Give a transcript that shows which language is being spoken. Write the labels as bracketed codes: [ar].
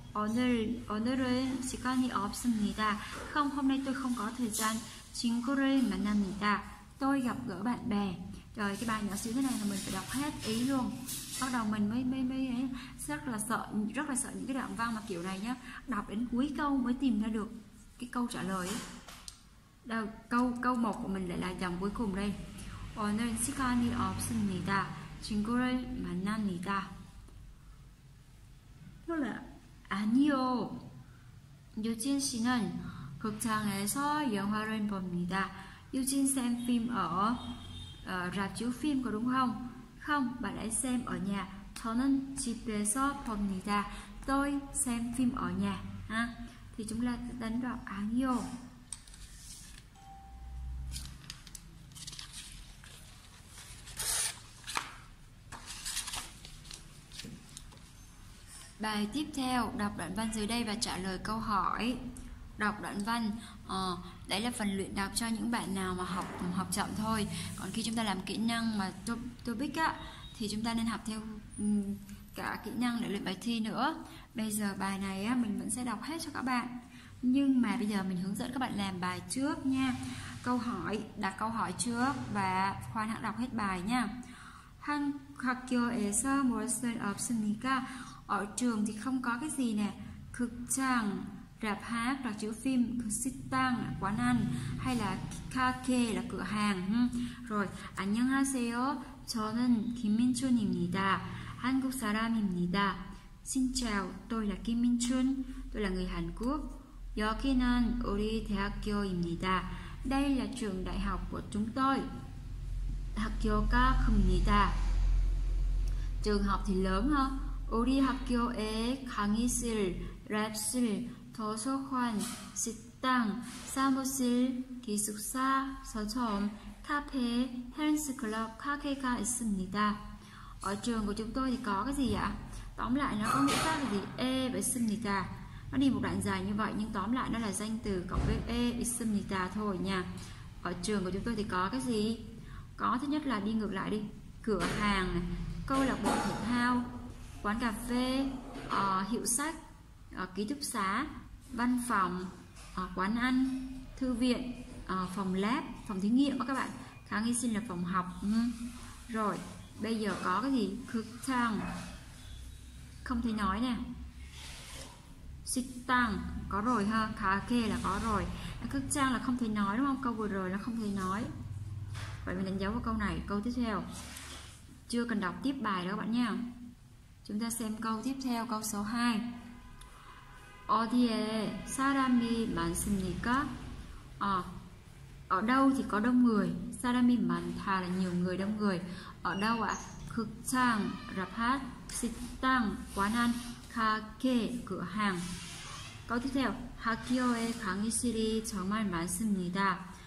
[ko] 오늘은 시간이 없습니다. [vi] Không, hôm nay tôi không có thời gian. [ko] 친구를 만납니다. [vi] Tôi gặp gỡ bạn bè. Trời, cái bài nhỏ xíu thế này là mình phải đọc hết ý luôn. Bắt đầu mình mới rất là sợ những cái đoạn văn mà kiểu này nhá. Đọc đến cuối câu mới tìm ra được cái câu trả lời ấy. Đâu, câu 1 của mình lại là dòng cuối cùng đây. [ko] 오늘 시간이 없습니다. 친구를 만납니다. [vi] Nó là [ko] 아니요. 유진 씨는 극장에서 영화를 봅니다. [vi] 유진 xem phim ở rạp chiếu phim có đúng không? Không, bạn ấy xem ở nhà. [ko] 저는 집에서 봅니다. [vi] Tôi xem phim ở nhà. Ha? Thì chúng ta đánh đoạn [ko] 아니요. [vi] Bài tiếp theo, đọc đoạn văn dưới đây và trả lời câu hỏi. Đọc đoạn văn, đấy là phần luyện đọc cho những bạn nào mà học chậm thôi. Còn khi chúng ta làm kỹ năng mà topic á, thì chúng ta nên học theo cả kỹ năng để luyện bài thi nữa. Bây giờ bài này á, mình vẫn sẽ đọc hết cho các bạn. Nhưng mà bây giờ mình hướng dẫn các bạn làm bài trước nha. Câu hỏi, đặt câu hỏi trước và khoan hãy đọc hết bài nha. [ko] 학교에서 무엇을 없습니까? [vi] Ở trường thì không có cái gì nè. Cực chàng, rạp hát, rạp chiếu phim, cực xích tăng, quán ăn, hay là kake là cửa hàng. [ko] Rồi, 안녕하세요. 저는 김민춘입니다. 한국 사람입니다. [vi] Xin chào, tôi là Kim Minh Chun. Tôi là người Hàn Quốc. [ko] 여기는 우리 대학교입니다. [vi] Đây là trường đại học của chúng tôi. [ko] 학교가 큽니다. [vi] Trường học thì lớn hả? [ko] 우리 학교에 강의실, 랩실, 도서관, 식당, 사무실, 기숙사, 서점, 카페, 헬스클럽, 카페가 있습니다. [vi] Ở trường của chúng tôi thì có cái gì ạ? Tóm lại nó có nghĩa khác là gì? [ko] 에 있습니다. [vi] Nó đi một đoạn dài như vậy nhưng tóm lại nó là danh từ cộng với [ko] 에 있습니다 [vi] thôi nha. Ở trường của chúng tôi thì có cái gì? Có thứ nhất là đi ngược lại đi. Cửa hàng, câu lạc bộ thể thao, quán cà phê, hiệu sách, ký túc xá, văn phòng, quán ăn, thư viện, phòng lab, phòng thí nghiệm các bạn. Kháng y sinh là phòng học. Rồi, bây giờ có cái gì? Cực tăng. Không thể nói nè. Xích tăng. Có rồi ha. Khá kê là có rồi. Cực tăng là không thể nói đúng không? Câu vừa rồi là không thể nói. Vậy mình đánh dấu vào câu này. Câu tiếp theo. Chưa cần đọc tiếp bài đâu các bạn nha. Chúng ta xem câu tiếp theo, câu số 2. [ko] 어디에 사람이 많습니까? [vi] Ở đâu thì có đông người? [ko] 사람이 많다 [vi] là nhiều người, đông người. Ở đâu ạ? 극장, rạp hát, 식당, quán ăn, 가게, cửa hàng. Câu tiếp theo. [ko] 학교에 강의실이 정말 많습니다.